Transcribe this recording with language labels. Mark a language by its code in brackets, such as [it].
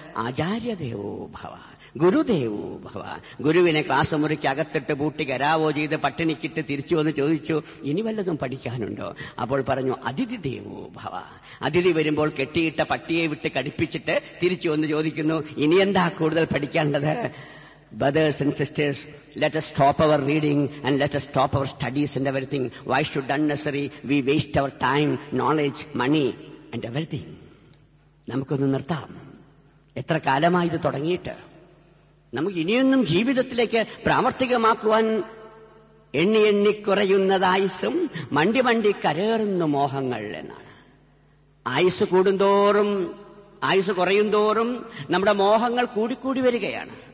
[sa] ആചാര്യദേവോ ഭവ, ഗുരുദേവോ ഭവ. [ml] ഗുരുവിനെ ക്ലാസ് മുറിക്ക് അകത്തിട്ട് പൂട്ടി കരാവോ ചെയ്ത് പട്ടിണിക്കിട്ട് തിരിച്ചു വന്ന് ചോദിച്ചു, ഇനി വല്ലതും പഠിക്കാനുണ്ടോ? അപ്പോൾ പറഞ്ഞു, [sa] അതിഥിദേവോ ഭവ. [ml] അതിഥി വരുമ്പോൾ കെട്ടിയിട്ട പട്ടിയെ വിട്ട് കടിപ്പിച്ചിട്ട് തിരിച്ചു വന്ന് ചോദിക്കുന്നു, ഇനി എന്താ കൂടുതൽ പഠിക്കാനുള്ളത്? [en] Brothers and sisters, let us stop our reading and let us stop our studies and everything. Why should unnecessary we waste our time, knowledge, money and everything? [ml] Namukku nirthaam. എത്ര കാലമായി ഇത് തുടങ്ങിയിട്ട്. നമുക്ക് ഇനിയൊന്നും ജീവിതത്തിലേക്ക് പ്രാവർത്തികമാക്കുവാൻ എണ്ണി എണ്ണി കുറയുന്നത് ആയുസ്സും മണ്ടി മണ്ടി കരയറുന്ന മോഹങ്ങൾ എന്നാണ്. ആയുസ് കൂടുന്തോറും ആയുസ് കുറയുന്തോറും നമ്മുടെ മോഹങ്ങൾ കൂടിക്കൂടി വരികയാണ്.